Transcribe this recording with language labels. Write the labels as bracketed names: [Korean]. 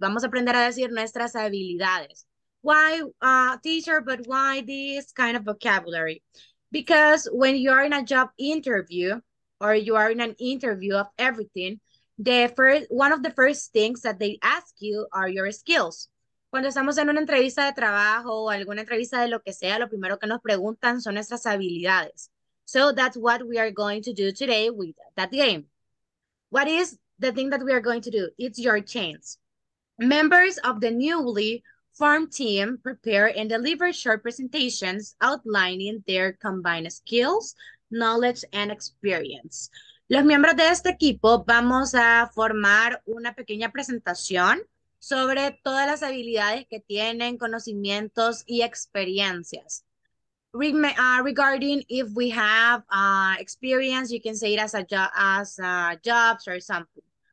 [Spanish] Vamos a aprender a decir nuestras habilidades. [English] Why, teacher, but why this kind of vocabulary? Because when you are in a job interview, or you are in an interview of everything, one of the first things that they ask you are your skills. [Spanish] Cuando estamos en una entrevista de trabajo o alguna entrevista de lo que sea, lo primero que nos preguntan son nuestras habilidades. [English] So that's what we are going to do today with that game. What is the thing that we are going to do? It's your chance. Members of the newly formed team prepare and deliver short presentations outlining their combined skills, knowledge, and experience. [Spanish] Los miembros de este equipo vamos a formar una pequeña presentación sobre todas las habilidades que tienen, conocimientos y experiencias. [English] Regarding if we have experience, you can say it as jobs or something.